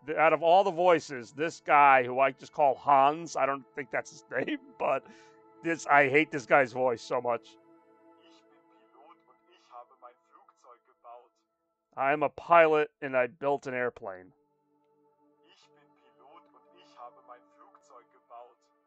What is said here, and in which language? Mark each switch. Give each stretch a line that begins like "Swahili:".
English: Out of all the voices, this guy, who I just call Hans, I don't think that's his name, but this, I hate this guy's voice so much.
German: Ich bin Pilot und ich habe mein Flugzeug gebaut.
English: I'm a pilot and I built an airplane.
German: Ich bin Pilot und ich habe mein Flugzeug gebaut.